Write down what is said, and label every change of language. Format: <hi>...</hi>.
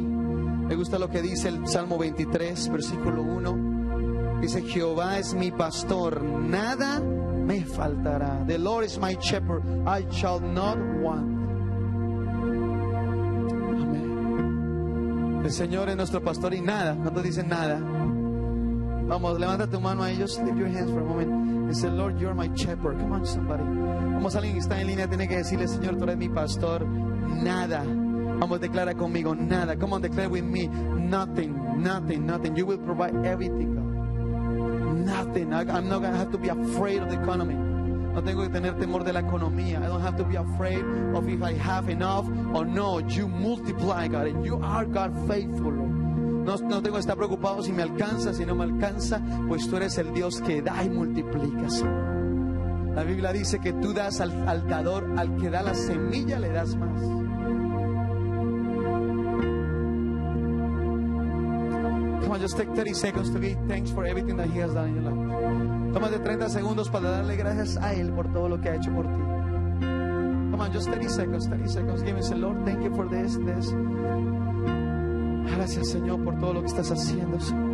<es>Me gusta lo que dice el Salmo 23, versículo 1. Dice, Jehová es mi pastor, nada me faltará.</es> <en>The Lord is my shepherd, I shall not want.</en> <es>Amén. El Señor es nuestro pastor y nada, ¿cuántos dicen nada? Vamos, levanta tu mano ahí.</es> <en>Just lift your hands for a moment. And say, Lord, you're my shepherd. Come on, somebody.</en> <es>Vamos, alguien que está en línea tiene que decirle, Señor, tú eres mi pastor. Nada. Vamos, declara conmigo, nada.</es> <en>Come on, declare with me. Nothing, nothing, nothing. You will provide everything, God. Nothing. I'm not going to have to be afraid of the economy.</en> <es>No tengo que tener temor de la economía.</es> <en>I don't have to be afraid of if I have enough or no. You multiply, God. And you are God faithful, Lord.</en> <es>No tengo que estar preocupado si me alcanza, si no me alcanza, pues tú eres el Dios que da y multiplica. La Biblia dice que tú das al dador, al que da la semilla le das más.</es> <en>Come on, just take 30 seconds to be thanks for everything that he has done in your life.</en> <es>Toma de 30 segundos para darle gracias a él por todo lo que ha hecho por ti.</es> <en>Come on, just 30 seconds. Give me, Lord, thank you for this.</en> <es>Gracias, Señor, por todo lo que estás haciendo, Señor.</es>